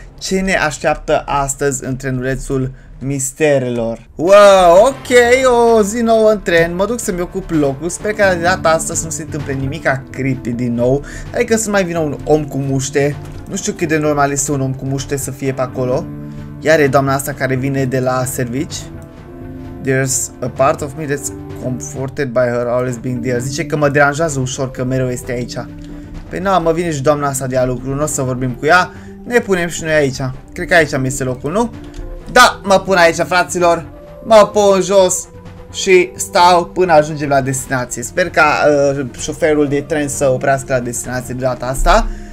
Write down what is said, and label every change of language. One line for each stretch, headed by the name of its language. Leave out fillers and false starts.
Romanian: Ce ne așteaptă astăzi în trenulețul misterelor. Wow, ok, o zi nouă în tren. Mă duc să-mi ocup locul. Sper că de data asta să nu se întâmple nimica creepy din nou. Adică să mai vină un om cu muște. Nu știu cât de normal este un om cu muște să fie pe acolo. Iar e doamna asta care vine de la servici.
English: There's a part of me that's comforted by her always being there.
Romanian: Zice că mă deranjează ușor că mereu este aici. Păi na, mă vine și doamna asta de a lucru. Nu o să vorbim cu ea. Ne punem și noi aici. Cred că aici mi este locul, nu? Da, mă pun aici, fraților. Mă pun jos și stau până ajungem la destinație. Sper ca șoferul de tren să oprească la destinație de data asta.